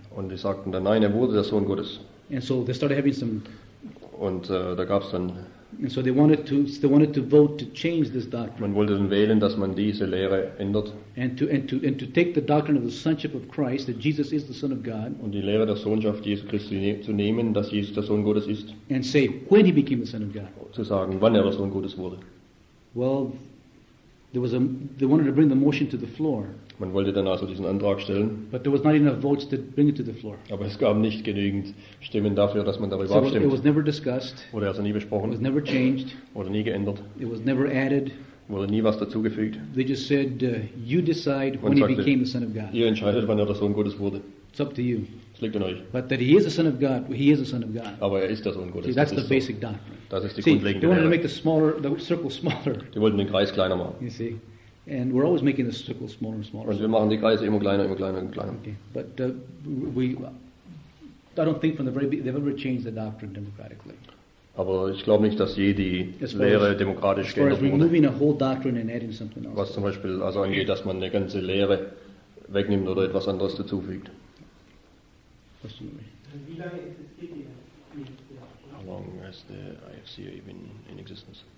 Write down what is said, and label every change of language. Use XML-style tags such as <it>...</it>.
<de>Und die sagten dann, nein, er wurde der Sohn Gottes.</de> <en>And so they started having some.</en> <de>Und da gab's dann.</de> <en>And so they wanted to vote to change this doctrine.</en> <de>Man wollte dann wählen, dass man diese Lehre ändert.</de> <en>And to take the doctrine of the sonship of Christ, that Jesus is the Son of God.</en> <de>Und die Lehre der Sohnschaft Jesu Christi zu nehmen, dass Jesus der Sohn Gottes ist.</de> <en>And say when he became the Son of God.</en> <de>Zu sagen, wann er der Sohn Gottes wurde.</de> <en>Well, they wanted to bring the motion to the floor.</en> <de>Man wollte dann also diesen Antrag stellen.</de> <en>But there was not enough votes to bring it to the floor.</en> <de>Aber es gab nicht genügend Stimmen dafür, dass man darüber abstimmt.</de> <en>It was never discussed.</en> <de>Wurde also nie besprochen.</de> <en>It was never changed.</en> <de>Wurde nie geändert.</de> <en>It was never added.</en> <de>Wurde nie was dazugefügt.</de> <en>They just said, you decide when he became the Son of God.</en> <de>Ihr entscheidet, wann er der Sohn Gottes wurde.</de> <en>It's up to you.</en> <de>Es liegt an euch.</de> <en>But that he is the Son of God, he is the Son of God.</en> <de>Aber er ist der Sohn Gottes.</de> <en>See, that's</en> <de>das</de> <en>the</en> <de>ist</de> <en>basic</en> <de>so.</de> <en>Doctrine.</en> <de>Das ist die</de> <en>see,</en> <de>grundlegende</de> <en>they wanted Lehre. To make the circle smaller.</en> <de>Die wollten den Kreis kleiner machen.</de> <en>You see? And we're always making the circle smaller and smaller.</en> <de>Also wir machen die Kreise immer kleiner.</de> <en>Okay. But I don't think from the very they've ever changed the doctrine democratically.</en> <de>Aber ich glaube nicht, dass je die Lehre demokratisch geändert wurde.</de> <en>As far as removing a whole doctrine and adding something else.</en> <de>Was zum Beispiel also angeht, dass man eine ganze Lehre wegnimmt oder etwas anderes dazufügt.</de> <en>Question.</en> <de>Wie lange existiert die</de> <en>How long has the IFCA been in existence?</en>